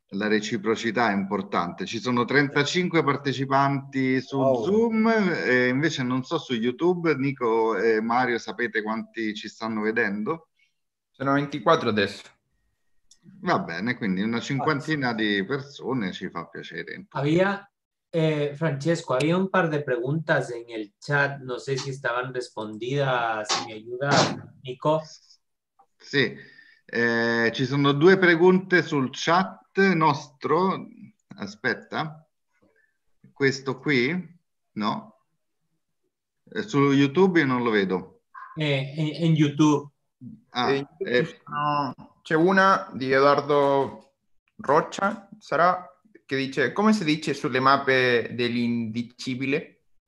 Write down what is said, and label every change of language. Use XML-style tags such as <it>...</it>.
<it>La reciprocità è importante. Ci sono 35 partecipanti su Zoom, e invece non so su YouTube, Nico e Mario, sapete quanti ci stanno vedendo? Sono 24 adesso. Va bene, quindi una cinquantina di persone, ci fa piacere.</it> <es>Había, Francesco, había un par de preguntas en el chat, no sé si estaban respondidas, mi ayuda, Nico.</es> <it>Sì, ci sono due pregunte sul chat nostro, aspetta, questo qui, no, su YouTube non lo vedo. In YouTube. Ah, c'è una di Edoardo Rocha, sarà, che dice, come si dice sulle mappe dell'indicibile?</it>